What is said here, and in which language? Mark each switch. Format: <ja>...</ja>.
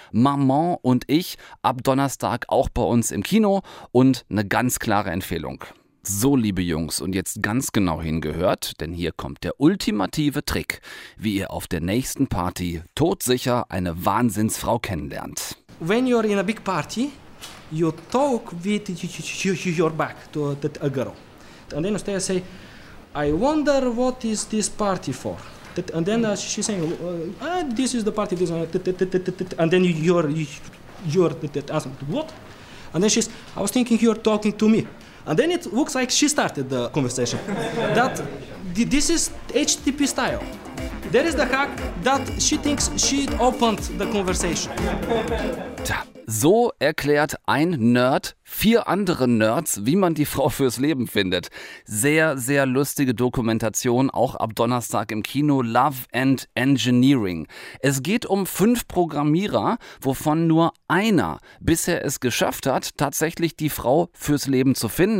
<de>Maman und ich ab Donnerstag auch bei uns im Kino und eine ganz klare Empfehlung. So, liebe Jungs, und jetzt ganz genau hingehört, denn hier kommt der ultimative Trick, wie ihr auf der nächsten Party todsicher eine Wahnsinnsfrau kennenlernt.</de> <en>When you're in a big party, you talk with your back to that girl. And then they say, I wonder what is this party for? And then she's saying, this is the party, this is and then you're asking, what? And then she's, I was thinking you're talking to me. And then it looks like she started the conversation. That this is HTTP style. There is the hack that she thinks she opened the conversation.</en> <de>Tja, so erklärt ein Nerd 4 andere Nerds, wie man die Frau fürs Leben findet. Sehr, sehr lustige Dokumentation, auch ab Donnerstag im Kino, Love and Engineering. Es geht um 5 Programmierer, wovon nur einer bisher es geschafft hat, tatsächlich die Frau fürs Leben zu finden.</de>